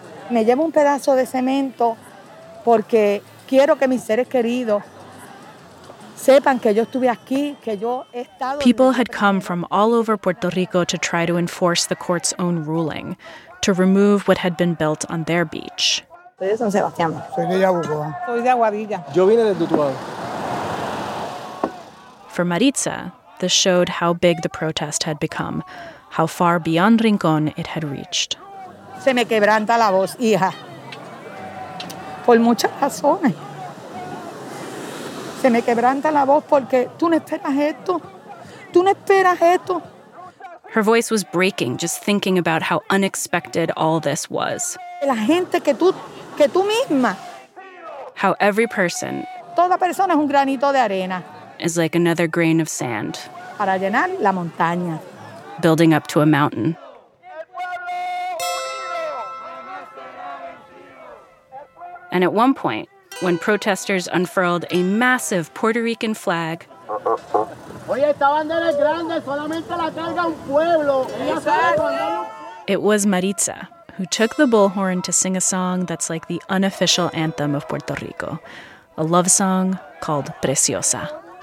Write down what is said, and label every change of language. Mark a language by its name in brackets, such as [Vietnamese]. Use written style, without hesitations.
[Spanish] Me llevo un pedazo de cemento porque quiero que mis seres queridos Sepan que yo estuve aquí, que yo he estado. [English] People had come from all over Puerto Rico to try to enforce the court's own ruling, to remove what had been built on their beach. [Spanish] Soy de San Sebastián. Soy de Yabucoa. Soy de Aguadilla. Yo vine de Tutuán. [English] For Maritza, this showed how big the protest had become, how far beyond Rincón it had reached. [Spanish] Se me quebranta la voz, hija. Por muchas razones. Se me quebranta la voz porque tú no esperas esto. Tú no esperas esto. [English] Her voice was breaking just thinking about how unexpected all this was. [Spanish] La gente que tú misma. [English] How every person. [Spanish] Toda persona es un granito de arena. [English] Is like another grain of sand. [Spanish] Para llenar la montaña. [English] Building up to a mountain. And at one point, when protesters unfurled a massive Puerto Rican flag. [Spanish] Oye, esta bandera es grande, solamente la carga un pueblo. [English] It was Maritza who took the bullhorn to sing a song that's like the unofficial anthem of Puerto Rico, a love song called Preciosa.